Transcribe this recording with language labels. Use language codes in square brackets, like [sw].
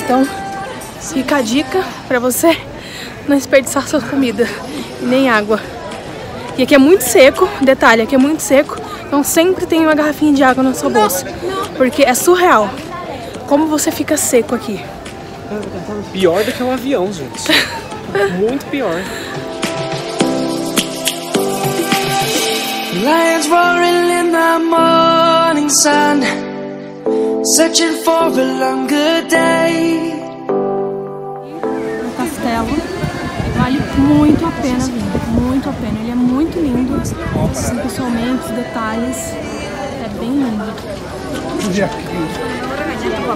[pt] Então, fica a dica pra você não desperdiçar sua comida e nem água. E aqui é muito seco, detalhe, aqui é muito seco. Então sempre tem uma garrafinha de água na sua bolsa. Porque é surreal como você fica seco aqui. Pior do que um avião, gente. Muito pior. [en] Lions roaring in the morning sun, searching for a longer day. [pt] O castelo vale muito a pena vir. Muito a pena. Ele é muito lindo. Assim, pessoalmente, os detalhes. É bem lindo. Olha aqui.